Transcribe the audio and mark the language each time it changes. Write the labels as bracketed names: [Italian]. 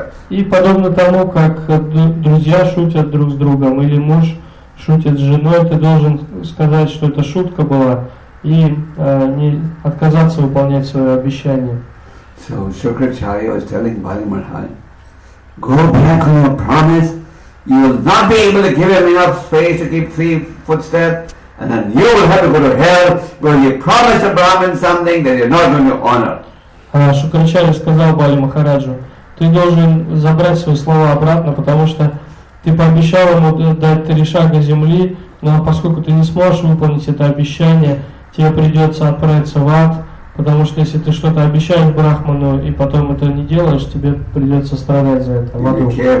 [Russian] И подобно тому, как друзья шутят друг с другом, или муж шутит с женой, ты должен сказать, что это шутка была, и не отказаться выполнять свое обещание. [English] So Shukracharya was telling Bali Maharaj, go back on your promise, you will not be able to give him enough space to keep 3 footsteps, and then you will have to go to hell, where you promise a Brahmin something that you're not going to honor. [Russian] Шукрачарья сказал Бали Махараджу, ты должен забрать свои слова обратно, потому что ты пообещал ему дать 3 шага земли, но поскольку ты не сможешь выполнить это обещание, тебе придется отправиться в ад, потому что если ты что-то обещаешь брахману и потом это не делаешь, тебе придется страдать за это в аду.